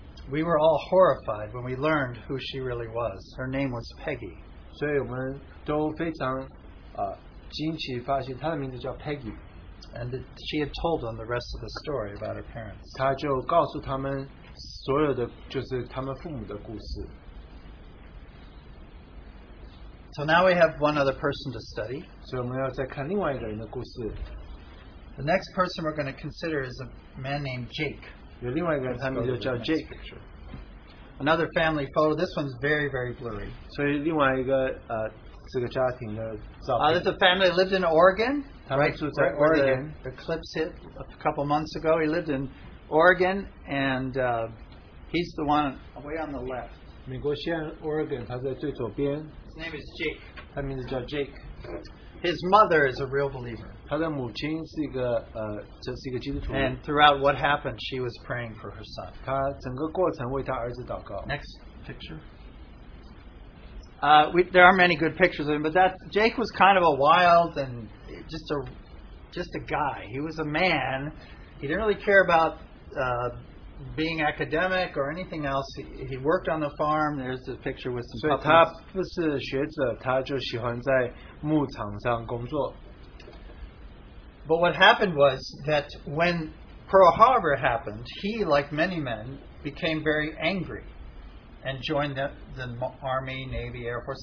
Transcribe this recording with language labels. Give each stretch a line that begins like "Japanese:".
English: We were all horrified when we learned who she really was. Her name was Peggy.
Chinese: 所以我们都非常惊奇发现她的名字叫 Peggy.
English: And she had told them the rest of the story about her parents.
Chinese: 她就告诉他们所有的就是他们父母的故事。
English: So now we have one other person to study.
Chinese: So 我们要再看另外一个人的故事。
English: The next person we're going to consider is a man named Jake.
Chinese: 有另外一个人，他名字叫Jake。
English: Another family photo. This one's very, very blurry.
Chinese: 所以另外一个这个家庭的照片。
English: There's a family lived in Oregon.
Chinese: 他们住在Oregon。
English: The eclipse hit a couple months ago. He lived in Oregon, and he's the one way on the left.
Chinese: 美国西岸Oregon，他在最左边。
English: His name is Jake.
Chinese: 他名字叫Jake。
English: His mother is a real believer.
Chinese: 他的母亲是一个基督徒。
English: And throughout what happened, she was praying for her son.
Chinese: 他整个过程为他儿子祷告。
English: Next picture. There are many good pictures of him, but that Jake was kind of a wild and just a guy. He was a man. He didn't really care about being academic or anything else. He worked on the farm. There's the picture with some puppies.
Chinese: 所以他不是学者，他就喜欢在牧场上工作。
English: But what happened was that when Pearl Harbor happened, he, like many men, became very angry and joined the Army, Navy, Air Force.